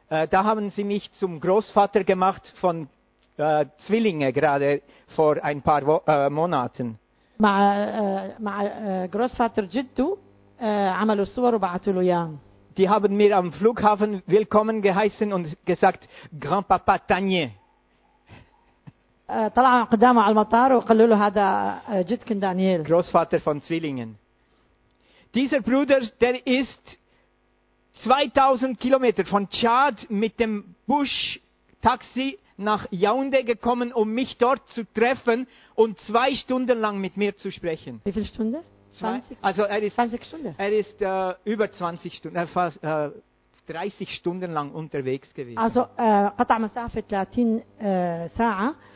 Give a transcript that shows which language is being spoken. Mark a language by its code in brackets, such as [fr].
[de] Da haben sie mich zum Großvater gemacht von Zwillingen, gerade vor ein paar Monaten. Mit Großvater Jittu haben sie Bilder gemacht und sie haben. Die haben mir am Flughafen willkommen geheißen und gesagt, Grandpapa Tanje. [ar] طلع قدامه على المطار وقالوا له هذا جدك دانييل. [de] Großvater von Zwillingen. Dieser Bruder, der ist 2000 Kilometer von Tschad mit dem Bush-Taxi nach Yaoundé gekommen, um mich dort zu treffen und 2 Stunden lang mit mir zu sprechen. Wie viele Stunden? 20? Also er ist 20 Stunden. Er ist über 20 Stunden, fast 30 Stunden lang unterwegs gewesen. [ar] Also قطع مسافة 30 ساعة.